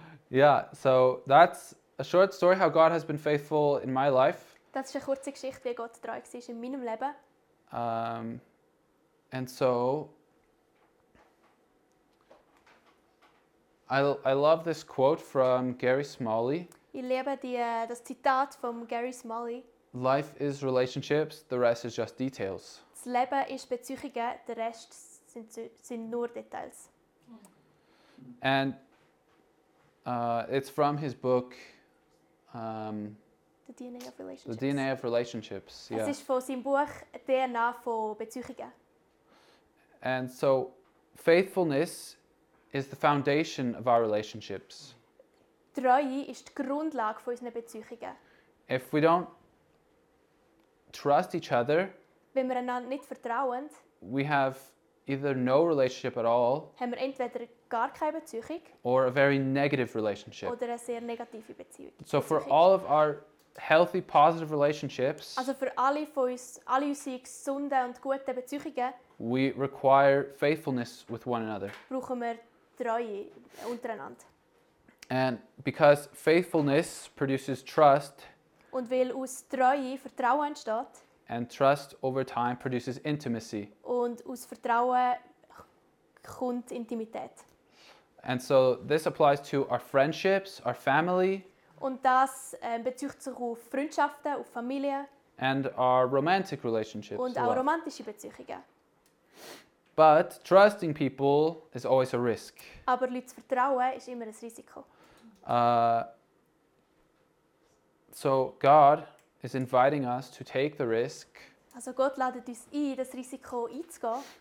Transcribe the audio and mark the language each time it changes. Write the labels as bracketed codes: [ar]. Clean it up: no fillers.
[en] Yeah, so that's a short story how God has been faithful in my life. [de] Das ist eine kurze Geschichte, wie Gott treu war in meinem Leben. [en] And so I love this quote from Gary Smalley. [de] Ich liebe das Zitat von Gary Smalley. [en] Life is relationships, the rest is just details. [de] Das Leben ist Beziehungen, der Rest sind nur Details. [en] And it's from his book, The DNA of Relationships. The DNA of Relationships, yeah. [de] Es ist von seinem Buch DNA von Beziehungen. [en] And so, faithfulness is the foundation of our relationships. [de] Treue ist die Grundlage von unseren Beziehungen. [en] If we don't trust each other, [de] wenn wir einander nicht vertrauen, [en] we have either no relationship at all, [de] haben wir entweder gar keine Beziehung, [en] or a very negative relationship. [de] Oder eine sehr negative Beziehung. [en] So for all of our healthy, positive relationships, [de] also für alle von uns, alle unsere gesunden und guten Beziehungen, [en] we require faithfulness with one another. [de] Brauchen wir Treue untereinander. [en] And because faithfulness produces trust, [de] und weil aus Treue Vertrauen entsteht, [en] and trust over time produces intimacy. [de] Und aus Vertrauen kommt Intimität. [en] And so this applies to our friendships, our family. [de] Und das bezieht sich auf Freundschaften, auf Familie. [en] And our romantic relationships. [de] Und auch romantische Beziehungen. [en] But trusting people is always a risk. [de] Aber Leute zu vertrauen ist immer ein Risiko. [en] So God is inviting us to take the risk. [de] Also Gott ladet uns ein, das Risiko einzugehen.